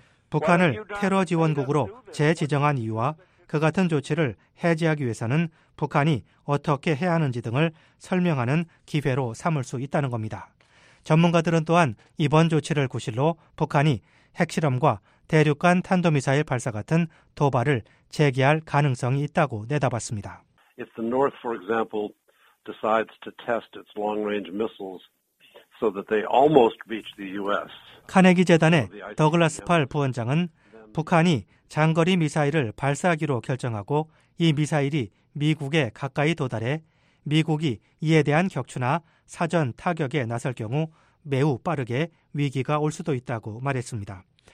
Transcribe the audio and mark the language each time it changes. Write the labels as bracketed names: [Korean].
[Korean] 북한을 테러 지원국으로 재지정한 이유와 그 같은 조치를 해제하기 위해서는 북한이 어떻게 해야 하는지 등을 설명하는 기회로 삼을 수 있다는 겁니다. 전문가들은 또한 이번 조치를 구실로 북한이 핵실험과 대륙간 탄도미사일 발사 같은 도발을 재개할 가능성이 있다고 내다봤습니다. [English] If the North, for example, decides to test its long-range missiles so that they almost reach the U.S. [Korean] 카네기 재단의 더글라스 팔 부원장은 북한이 장거리 미사일을 발사하기로 결정하고 이 미사일이 미국에 가까이 도달해 미국이 이에 대한 격추나 사전 타격에 나설 경우 매우 빠르게 위기가 올 수도 있다고 말했습니다.